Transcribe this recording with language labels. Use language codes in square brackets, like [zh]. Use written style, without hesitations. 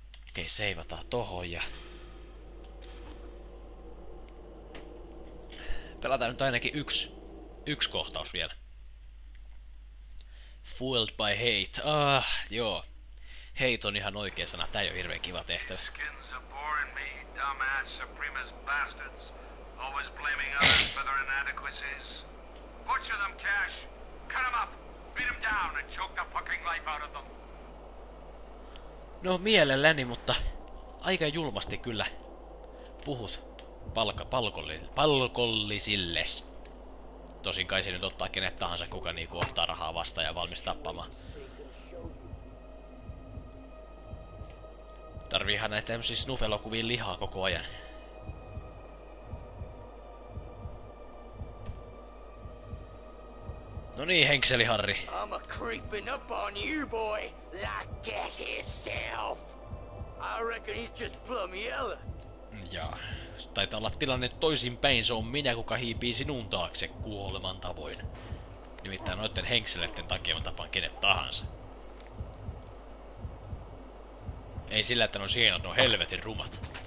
[fi] Okei, seivataan tohon ja... Pelataan nyt ainakin yksi kohtaus vielä. [en] Fueled by hate. [fi] Ah, joo. Hate on ihan oikea sana. Tää ei oo hirveen kiva tehtävä. [en] Skins are boring me, dumbass supremacist bastards. Always blaming others for their inadequacies. Butcher them, Cash. Cut them up. Beat them down and choke the fucking life out of them. [fi] No mielelläni, mutta aika julmasti kyllä puhut palkollisilles. Tosin kai se nyt ottaa kenet tahansa, kuka niinku ottaa rahaa vastaan ja valmis tappamaan. Tarviihan näitä tämmösiä snuff-elokuvia lihaa koko ajan. No niin, henkseli Harri. [en] I'm a creeping up on you, boy. Like to himself. I reckon he's just plum yellow. [fi] Jaa. Taitaa olla tilanne toisinpäin, se on minä, kuka hiipii sinun taakse kuoleman tavoin. Nimittäin noitten henkseleiden takia mä tapaan kenet tahansa. Ei sillä, että ne on sienot, ne on helvetin rumat.